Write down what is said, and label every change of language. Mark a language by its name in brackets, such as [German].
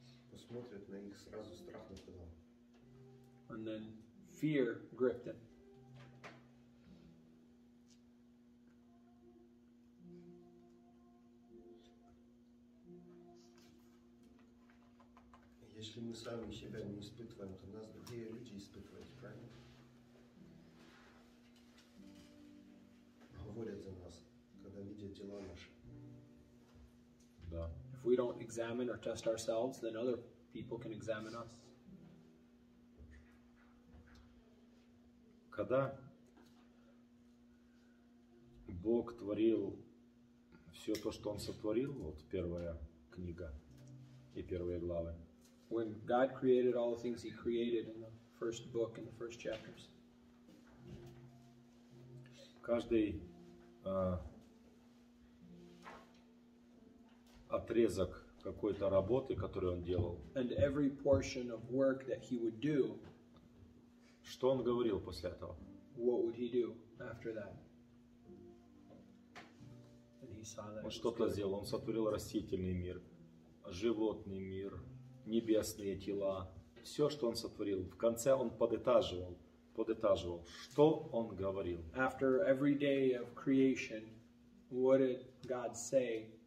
[Russian] Посмотрит на них, сразу страх нападал. [English] And then fear gripped him. [Russian] Если мы сами себя не испытываем, то нас другие люди испытывают, правильно? Говорят за нас, когда видят дела наши. Да. [English] If we don't examine or test ourselves, then other people can examine us. [Russian] Когда Бог творил все то, что Он сотворил, вот первая книга и первые главы. [English] When God created all the things He created in the first book, in the first chapters. [Russian] Каждый отрезок какой-то работы, которую он делал. [English] And every portion of work that he would do. [Russian] Что он говорил после этого? [English] What would he do after that? And he saw that. [Russian] Он что-то сделал. Он сотворил растительный мир, животный мир, небесные тела, все, что он сотворил. В конце он подытаживал, что он говорил. [English] After every day of creation, what did God say?